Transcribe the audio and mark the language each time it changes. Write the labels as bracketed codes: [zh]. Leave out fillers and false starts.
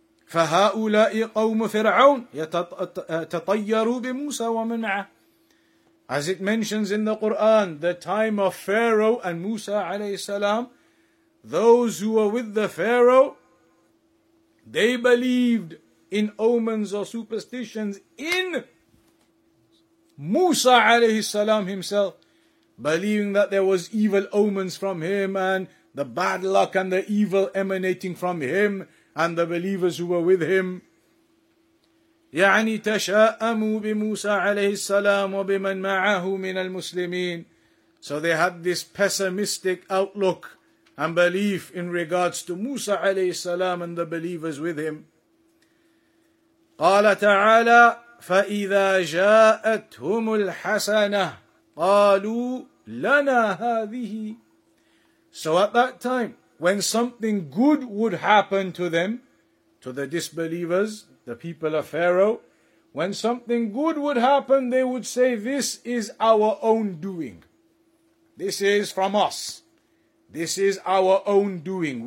[ar] فَهَؤُلَاءِ قَوْمُ فِرْعَوْنَ يَتَطَيَّرُوا بِمُوسَى وَمَنْعَهُ [en] As it mentions in the Qur'an, the time of Pharaoh and Musa alayhi salam, those who were with the Pharaoh, they believed in omens or superstitions in Musa alayhi salam himself, believing that there was evil omens from him and the bad luck and the evil emanating from him. And the believers who were with him. [ar] يعني تشاءموا بموسى عليه السلام وبمن معه من المسلمين. [en] So they had this pessimistic outlook and belief in regards to Musa عليه السلام and the believers with him. [ar] قال تعالى فإذا جاءتهم الحسنة قالوا لنا هذه [en] So at that time, when something good would happen to them, to the disbelievers, the people of Pharaoh, when something good would happen, they would say, this is our own doing. This is from us. This is our own doing.